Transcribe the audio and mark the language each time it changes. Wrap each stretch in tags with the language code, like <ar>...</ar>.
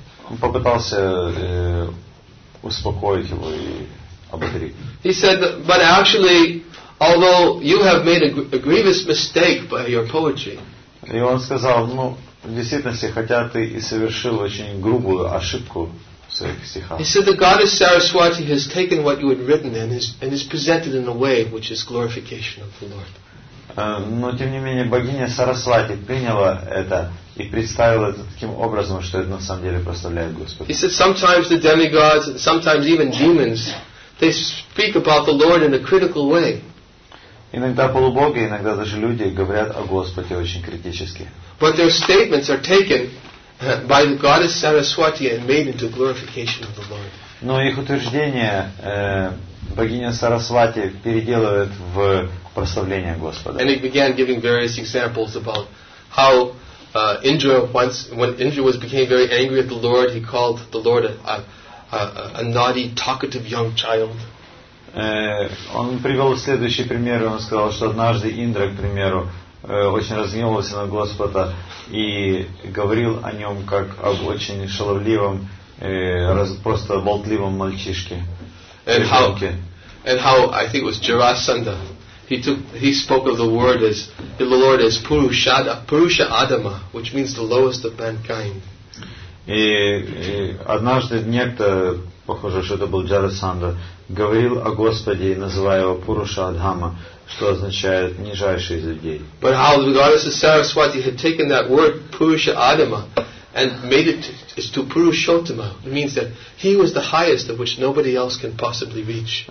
<ru>Он попытался успокоить его и ободрить.</ru> <en>He said, but actually, although you have made a grievous mistake by your poetry.</en> <ru>И он сказал, ну, в действительности, хотя ты и совершил очень грубую ошибку в своих стихах.</ru> <en>He said, the goddess Saraswati has taken what you had written and is presented in a way which is glorification of the Lord.</en> <ru>Но тем не менее богиня Сарасвати приняла это и представила это таким образом, что это на самом деле прославляет Господа.</ru> <en>He said sometimes the demigods and sometimes even demons they speak about the Lord in a critical way.</en> <ru>Иногда полубоги, иногда даже люди говорят о Господе очень критически.</ru> <en>But their statements are taken by the goddess Saraswati and made into glorification of the Lord.</en> <ru>Но их утверждения богиня Сарасвати переделывает в прославление Господа.</ru> <en>And he began giving various examples about how when Indra became very angry at the Lord, he called the Lord a naughty, talkative young child.</en> <ru>Он привел следующий пример. Он сказал, что однажды Индра, к примеру, очень разгневался на Господа и говорил о нем как об очень шаловливом, просто болтливом мальчишке.</ru> <en>And how I think it was Jarasandha. He spoke of the Lord as Purusha Adama, which means the lowest of mankind.</en> <ru>И однажды некто, похоже, что это был Джарасандха, говорил о Господе и называя его Пуруша Адама, что означает нижайший из людей.</ru> <en>But how the goddess of Saraswati had taken that word Purusha Adama and made it to Purushottama. It means that he was the highest of which nobody else can possibly reach.</en>